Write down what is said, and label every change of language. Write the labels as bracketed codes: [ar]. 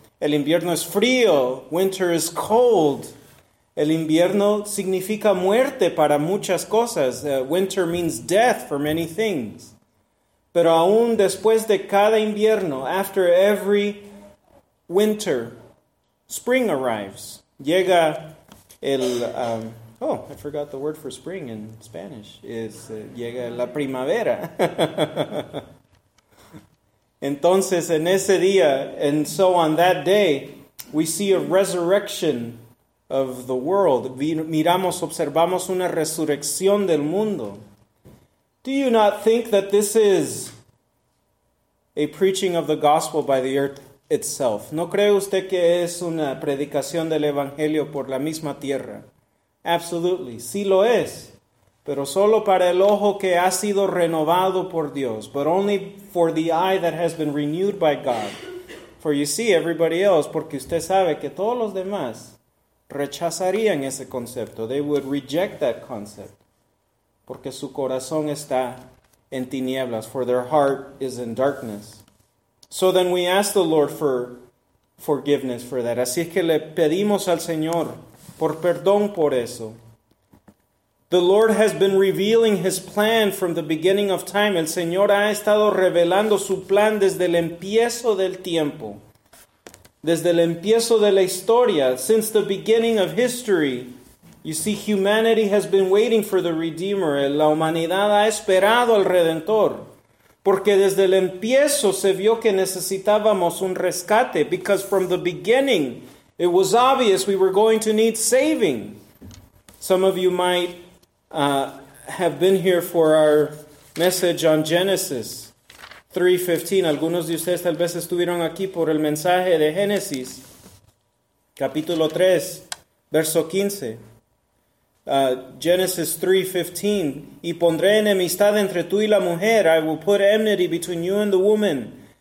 [es] El invierno es frío, [en] winter is cold. [es] El invierno significa muerte para muchas cosas. [en] Winter means death for many things. [es] Pero aún después de cada invierno, [en] after every winter, spring arrives. [es] Llega el... [en] I forgot the word for spring in Spanish. [es] Llega la primavera. Entonces, en ese día, [en] and so on that day, we see a resurrection of the world. [es] Miramos, observamos una resurrección del mundo. [en] Do you not think that this is a preaching of the gospel by the earth itself? [es] ¿No cree usted que es una predicación del evangelio por la misma tierra? [en] Absolutely, [es] sí lo es, pero solo para el ojo que ha sido renovado por Dios, [en] but only for the eye that has been renewed by God. For you see, everybody else, [es] porque usted sabe que todos los demás rechazarían ese concepto. [en] They would reject that concept, [es] porque su corazón está en tinieblas, [en] for their heart is in darkness. So then we ask the Lord for forgiveness for that. [es] Así es que le pedimos al Señor por perdón por eso. [en] The Lord has been revealing his plan from the beginning of time. [es] El Señor ha estado revelando su plan desde el empiezo del tiempo. Desde el empiezo de la historia. [en] Since the beginning of history. You see, humanity has been waiting for the Redeemer. [es] La humanidad ha esperado al Redentor. Porque desde el empiezo se vio que necesitábamos un rescate. [en] Because from the beginning, it was obvious we were going to need saving. Some of you might have been here for our message on Genesis 3:15. [es] Algunos de ustedes tal vez estuvieron aquí por el mensaje de Génesis, capítulo 3, verso 15. Genesis 3:15. Y pondré enemistad entre tú y la mujer. [en] I will put enmity between you and the woman.